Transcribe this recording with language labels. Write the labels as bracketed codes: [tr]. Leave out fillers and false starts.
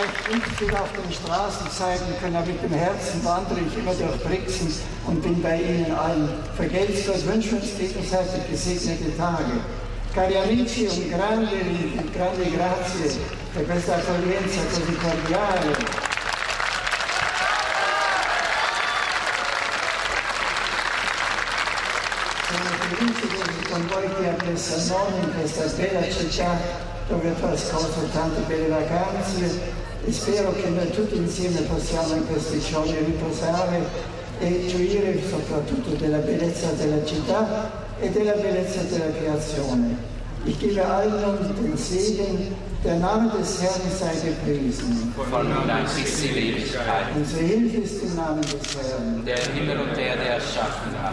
[de] Ich bin auf den Straßen zeigen können, aber mit dem Herzen wandere ich immer durch Brixen und bin bei Ihnen allen. Vergelt's Gott, wünsche uns gegenseitig gesegnete Tage. [it] Cari amici und grande, grande grazie, per questa accoglienza così cordiale. Sono felice, [de] dass ich von [it] voi [de] hier [it] in questa [de] Sonne, [it] in questa bella città, dove trascorso tante belle vacanze. E spero che noi tutti insieme possiamo in queste gioie riposare e gioire soprattutto della bellezza della città e della bellezza della creazione. [de] Ich gebe allen und den Segen, der Name des Herrn sei gepriesen. Von nun an ist sie Ewigkeit. Unsere Hilfe ist im Namen des Herrn, der Himmel und Erde erschaffen hat.